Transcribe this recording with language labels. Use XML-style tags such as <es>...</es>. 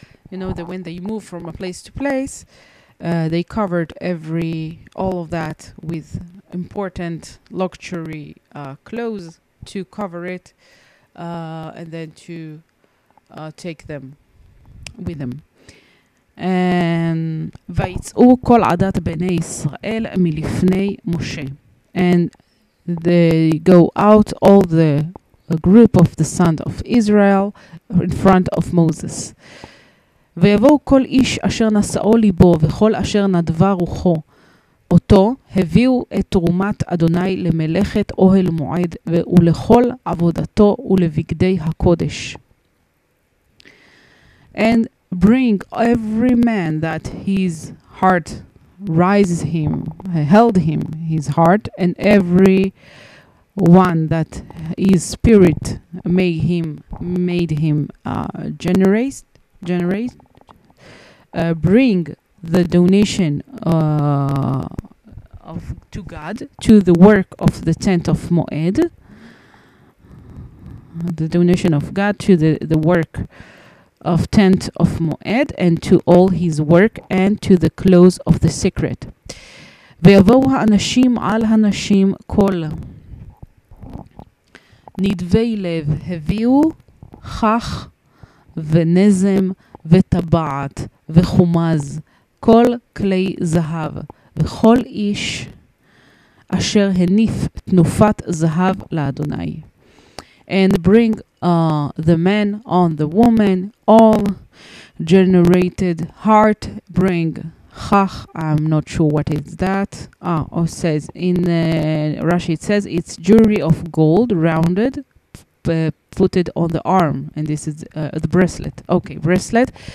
<en>You know, that when they move from a place to place, they covered all of that with important luxury clothes to cover it, and then to take them with them.</en> <he>And ויצאו כל עדת בני ישראל מלפני משה.</he> <en>And they go out, all the group of the sons of Israel, in front of Moses.</en> <he>ויבואו כל איש אשר נשאו ליבו וכל אשר נדבה רוחו אותו, הביאו את תרומת אדוני למלאכת אוהל מועד ולכל עבודתו ולבגדי הקודש.</he> <en>And bring every man that his heart rises him, held him, his heart, and every one that his spirit made him generate, bring the donation to God, to the work of the tent of Moed, the donation of God to the work of tent of Moed, and to all his work, and to the close of the secret.</en> <he>ויבואו האנשים על הנשים כל נדבי לב הביאו חך ונזם וטבעת וחומז כל כלי זהב וכל איש אשר הניף תנופת זהב לאדוני.</he> <en>And bring the man on the woman, all generated heart, bring chach, I'm not sure what is that. Says in Rashi, it says it's jewelry of gold, rounded, putted on the arm, and this is the bracelet. Okay, bracelet.</en>